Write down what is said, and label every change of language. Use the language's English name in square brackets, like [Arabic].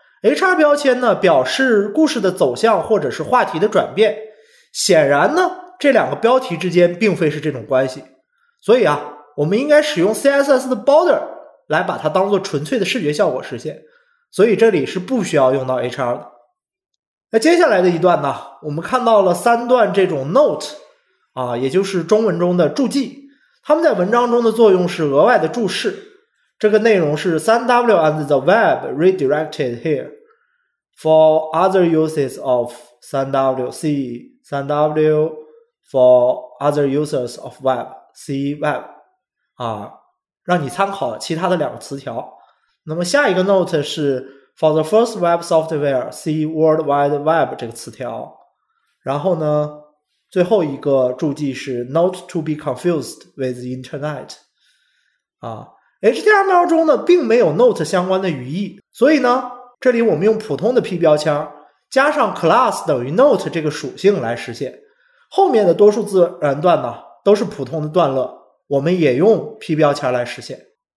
[Chinese] HR 标签呢表示故事的走向或者是话题的转变，显然呢这两个标题之间并非是这种关系，所以啊我们应该使用 CSS 的 border 来把它当作纯粹的视觉效果实现，所以这里是不需要用到 HR 的。那接下来的一段呢，我们看到了三段这种 note 啊，也就是中文中的注记。他们在文章中的作用是额外的注释，这个内容是 [English] 3W and the web redirected here for other uses of 3W, see 3W for other users of web, see web, [Chinese] 啊，让你参考其他的两个词条。那么下一个 [English] note 是 for the first web software, see World Wide Web [Chinese] 这个词条。然后呢，最后一个注记是 [English] not to be confused with the internet, 啊。 [Chinese] HTML 中呢并没有 note 相关的语义，所以呢这里我们用普通的 P 标签加上 class 等于 note 这个属性来实现，后面的多数自然段呢都是普通的段落，我们也用 P 标签来实现。